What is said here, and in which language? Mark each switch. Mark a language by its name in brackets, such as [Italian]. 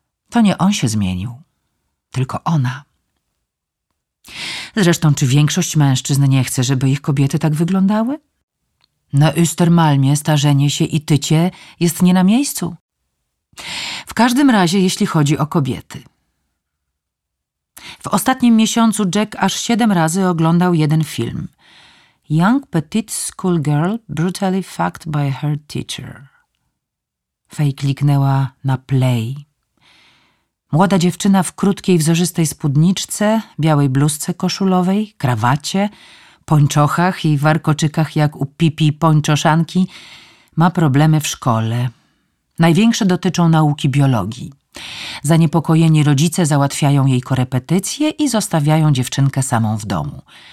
[Polish] To nie on się zmienił, tylko ona. Zresztą, czy większość mężczyzn nie chce, żeby ich kobiety tak wyglądały? Na Östermalmie starzenie się i tycie jest nie na miejscu. W każdym razie, jeśli chodzi o kobiety. W ostatnim miesiącu Jack aż 7 razy oglądał jeden film. [English] Young Petite School Girl Brutally Fucked by Her Teacher. [Polish] Faye kliknęła na play. Młoda dziewczyna w krótkiej, wzorzystej spódniczce, białej bluzce koszulowej, krawacie, pończochach i warkoczykach jak u Pipi pończoszanki ma problemy w szkole. Największe dotyczą nauki biologii. Zaniepokojeni rodzice załatwiają jej korepetycje i zostawiają dziewczynkę samą w domu.